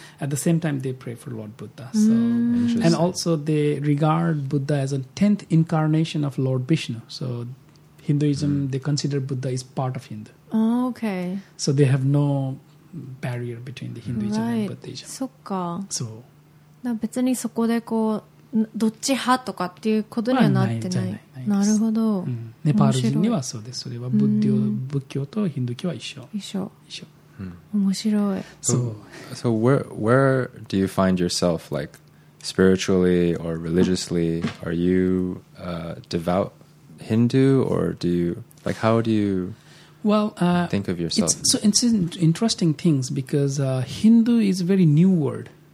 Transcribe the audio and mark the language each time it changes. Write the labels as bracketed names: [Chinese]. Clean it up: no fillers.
[English] At the same time, they pray for Lord Buddha. So, and also they regard Buddha as a 10th incarnation of Lord Vishnu. So Hinduism, they consider Buddha is part of Hindu. Oh, okay. So they have no barrier between the Hinduism and Buddhism. [Japanese] そっか。 [English] So. [Japanese] だから別にそこでこう、どっち派とかっていうことにはなってない。なるほど。ネパール人にはそうです。それは仏教とヒンドゥー教は一緒。一緒。面白い。 [English] So where do you find yourself, like spiritually or religiously? Are you a devout Hindu or do you, like how do you think of yourself? It's interesting things because Hindu is a very new word.